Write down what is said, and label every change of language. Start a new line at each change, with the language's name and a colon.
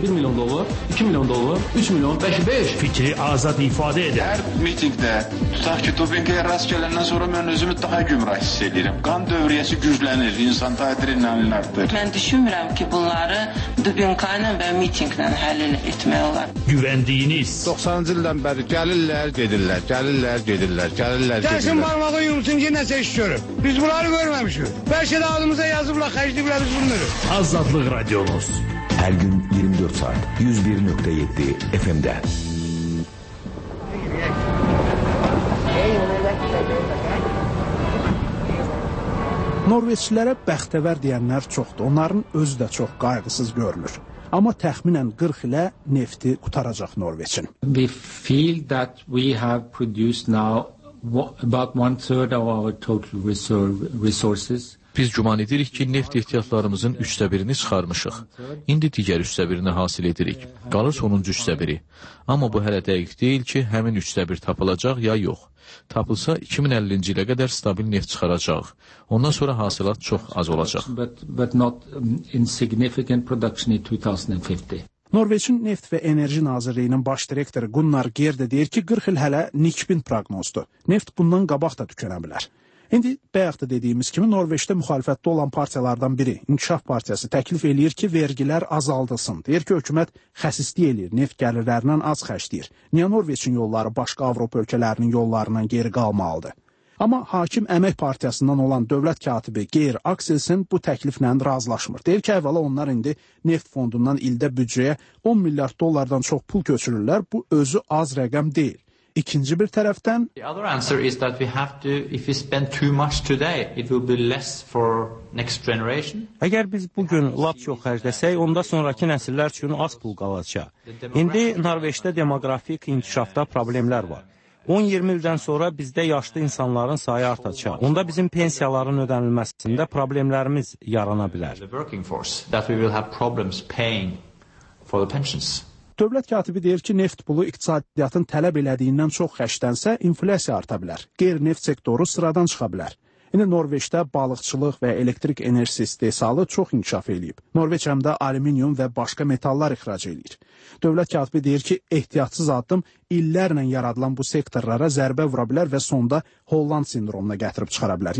Azerbaijani: 1 milyon dolar, 2 milyon dolar, 3 milyon, 5-5. Fikri azad ifadə edir. Hər mitingdə tutaq ki, dopingə rast gələndən sonra mən özümü daha gümrah hiss edirəm. Qan dövriyyəsi güclənir, insanda adrenalin artır. Mən düşünmürəm ki, bunları dopingkayla və mitinglə həll etmək olar. Güvəndiyiniz. 90-cı ildən bəri gəlirlər, gedirlər, gəlirlər, gedirlər, gəlirlər, Gəlsin barmağın yumrusun ki, nəsə iş görür. Biz bunları görməmişik. Bəlkə də ağzımıza yazıblar, xərcləyiblər biz bunları. Azadlıq Radiomuz. Hər gün 24 saat 101.7 FM-də. Norveçlilərə bəxtəvər deyənlər çoxdur. Onların özü də çox qayğısız görünür. Amma təxminən 40 ilə nefti qutaracaq Norveçin.
English: We feel that we have produced now about 1/3 of our total resources.
Azerbaijani: Biz güman edirik ki, neft ehtiyatlarımızın 1/3-ünü çıxarmışıq. İndi digər 1/3-ünü hasil edirik. Qalır sonuncu 1/3. Amma bu hələ dəqiq deyil ki, həmin 1/3 tapılacaq ya yox. Tapılsa 2050-ci ilə qədər stabil neft çıxaracaq. Ondan sonra hasilat çox az olacaq.
English: But not insignificant production in 2050.
Azerbaijani: Norveçin Neft və Enerji Nazirliyinin baş direktoru Gunnar Gerd deyir ki, 40 il hələ nikbin proqnozdur. Neft bundan qabaq da tükənə bilər. İndi bayaq da dediyimiz kimi Norveçdə müxalifətdə olan partiyalardan biri İnkişaf Partiyası təklif eləyir ki, vergilər azaldılsın. Deyir ki, hökumət xəsislik eləyir, neft gəlirlərindən az xərcləyir. Niyə Norveçin yolları başqa Avropa ölkələrinin yollarından geri qalmalıdır? Amma hakim Əmək Partiyasından olan dövlət katibi Geir Axelsen bu təkliflə razılaşmır. Deyir ki, əvvəla onlar indi neft fondundan ildə büdcəyə 10 milyard dollardan çox pul köçürürlər. Bu özü az rəqəm deyil. İkinci bir tərəfdən
English: The other answer is that we have to if we spend too much today it will be less for next generation.
Azerbaijani: Əgər biz bu gün lap çox xərcləsək, onda sonrakı nəsillər üçün az pul qalacaq. İndi Norveçdə demoqrafik inkişafda problemlər var. 10-20 ildən sonra bizdə yaşlı insanların sayı artacaq. Onda bizim pensiyaların ödənilməsində problemlərimiz yarana bilər.
English: That we will have problems paying for the pensions.
Azerbaijani: Dövlət katibi deyir ki, neft pulu iqtisadiyyatın tələb elədiyindən çox xərclənsə, inflyasiya arta bilər. Qeyri-neft sektoru sıradan çıxa bilər. İndi Norveçdə balıqçılıq və elektrik enerjisi istehsalı çox inkişaf eləyib. Norveç həm də alüminium və başqa metallar ixrac eləyir. Dövlət katibi deyir ki, ehtiyatsız addım illərlə yaradılan bu sektorlara zərbə vura bilər və sonda Holland sindromuna gətirib çıxara bilər.